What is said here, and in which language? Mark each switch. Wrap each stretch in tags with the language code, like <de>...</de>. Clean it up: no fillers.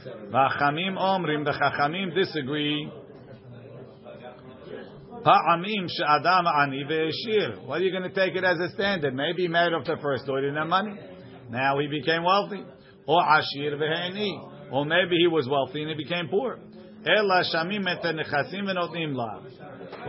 <he>והחכמים אומרים,</he> <en>the</en> <he>חכמים</he> <en>disagree,</en> <he>פעמים שאדם עני ועשיר.</he> <en>What are you going to take it as a standard? Maybe he married off the first daughter and had money. Now he became wealthy. Or</en> <he>עשיר והעני.</he> <en>Or maybe he was wealthy and he became poor.</en> <he>אלא שמים את הנכסים ונותנים לה.</he>